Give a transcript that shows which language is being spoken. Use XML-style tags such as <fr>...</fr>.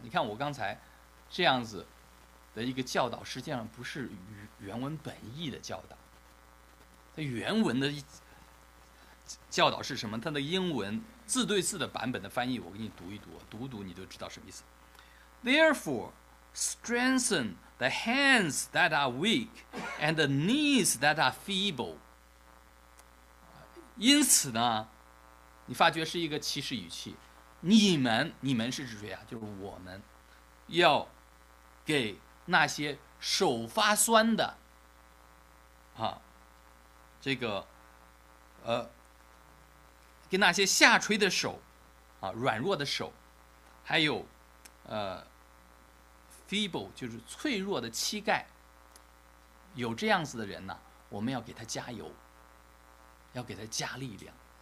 <zh>你看我刚才这样子的一个教导，实际上不是原文本意的教导，它原文的教导是什么，它的英文字对字的版本的翻译我给你读一读，读读你就知道什么意思。</zh> <en>Therefore, strengthen the hands that are weak and the knees that are feeble.</en> <zh>因此呢，你发觉是一个祈使语气，你们是指谁啊？就是我们，要给那些手发酸的啊，这个给那些下垂的手啊，软弱的手，还有feeble 就是脆弱的膝盖，有这样子的人呢，我们要给他加油，要给他加力量。</zh>